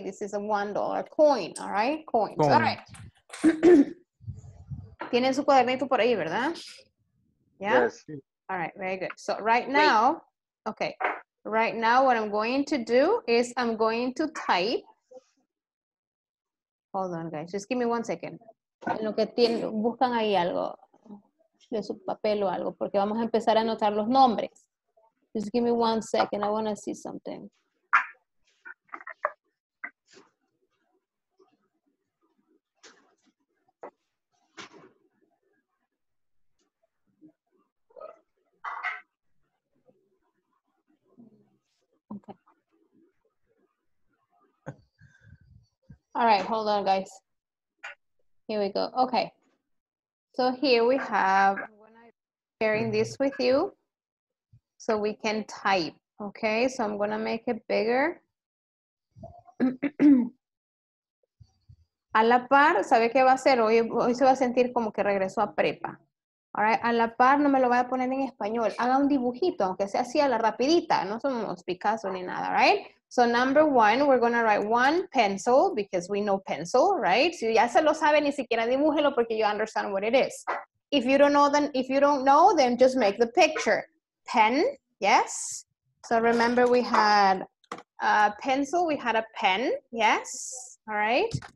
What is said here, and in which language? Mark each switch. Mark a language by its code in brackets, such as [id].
[en] This is a $1 coin, all right? Coins. Coin. All right. [es] Tienen su cuadernito por ahí, ¿verdad? [en] Yeah? Yes. All right, very good. So right now, okay, right now what I'm going to do is I'm going to type. Hold on, guys. Just give me 1 second. [es] En lo que tienen, buscan ahí algo de su papel o algo, porque vamos a empezar a anotar los nombres. [en] Just give me 1 second. I want to see something. All right, hold on, guys. Here we go. Okay. So here we have, I'm sharing this with you so we can type. Okay, so I'm going to make it bigger. [es] A la par, ¿sabe qué va a hacer? Hoy se va a sentir como que regresó a prepa. [en] All right, [es] a la par, no me lo voy a poner en español. Haga un dibujito, aunque sea así a la rapidita. No somos Picasso ni nada, [en] right? So number one, we're going to write one pencil because we know pencil, right? [es] Si ya se lo sabe, ni siquiera dibújelo porque [en] you understand what it is. If you don't know, then if you don't know, then just make the picture. Pen, yes. So remember we had a pencil, we had a pen, yes. All right.